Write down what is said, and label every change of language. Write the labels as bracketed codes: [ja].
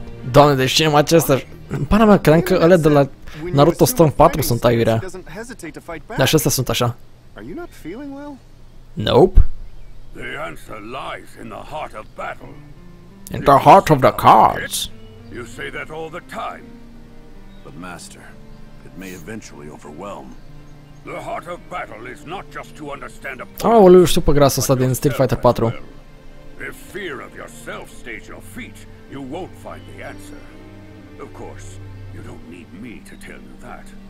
[ro] Doamne, deci cine mă acesta? În pana mea, cream că alea de la Naruto Storm 4 sunt aiurea. Dar și astea sunt așa. Nope. [en] The answer lies in the heart of battle. In the heart of the cards. You say that all the time. But master, it may eventually overwhelm. The heart of battle is not just to understand a point. [ro] Oh, aoleu, știu pe grasul ăsta din Street Fighter 4. [en] If fear of yourself stays your feet, you won't find the answer. Of course, you don't need me to tell you that.